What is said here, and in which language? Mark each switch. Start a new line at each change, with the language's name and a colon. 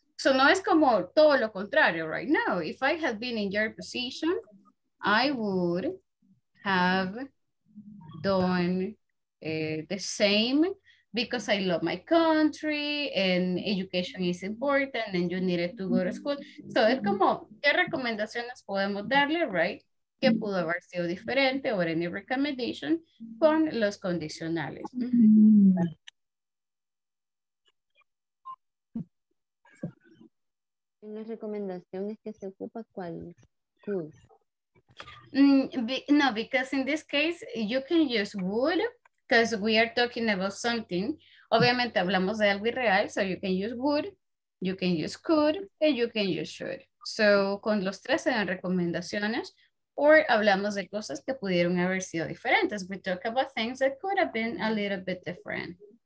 English: So
Spanish: no es como todo lo contrario,
English: right? No, if I had been in your position, I would have done the same because I love my country and education is important and you needed to go to school. So it's
Spanish: como, ¿qué recomendaciones podemos darle, right? ¿Qué pudo haber sido diferente
English: or any recommendation
Spanish: con los condicionales? Una recomendación es que se ocupa cuál could.
English: No, because in this case, you can use would, because we are talking about something.
Spanish: Obviamente, hablamos de algo irreal,
English: so you can use would, you can use could, and you can use should.
Spanish: So, con los tres eran recomendaciones, or hablamos de cosas que pudieron haber sido diferentes.
English: We talk about things that could have been a little bit different.